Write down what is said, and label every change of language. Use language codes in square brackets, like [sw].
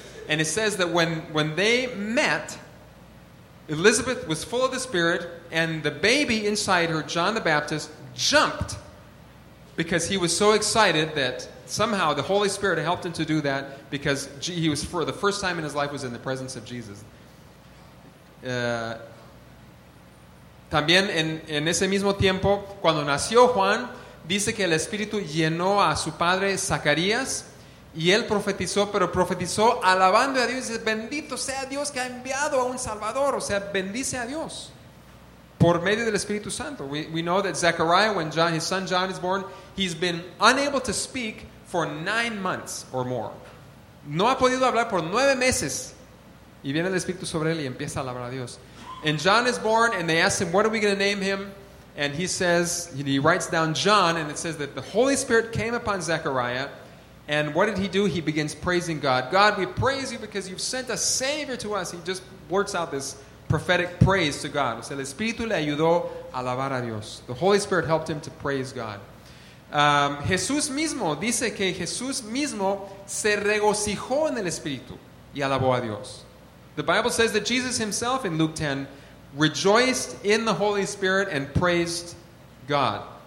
[en] And it says that when they met, Elizabeth was full of the Spirit, and the baby inside her, John the Baptist, jumped because he was so excited that somehow the Holy Spirit helped him to do that, because he was, for the first time in his life, was in the presence of Jesus. [es] También en ese mismo tiempo, cuando nació Juan, dice que el Espíritu llenó a su padre Zacarías, y él profetizó, pero profetizó alabando a Dios. Dice, bendito sea Dios que ha enviado a un Salvador. O sea, bendice a Dios por medio del Espíritu Santo. [en] We know that Zechariah, when John, his son John is born, he's been unable to speak for 9 months or more. [es] No ha podido hablar por 9 meses. Y viene el Espíritu sobre él y empieza a alabar a Dios. [en] And John is born, and they ask him, what are we going to name him? And he says, he writes down John, and it says that the Holy Spirit came upon Zechariah, and what did he do? He begins praising God. God, we praise you because you've sent a Savior to us. He just works out this prophetic praise to God. [es] O sea, el Espíritu le ayudó a alabar a Dios. [en] The Holy Spirit helped him to praise God. [es] Jesús mismo, dice que Jesús mismo se regocijó en el Espíritu y alabó a Dios. [en] The Bible says that Jesus himself in Luke 10 rejoiced in the Holy Spirit and praised God.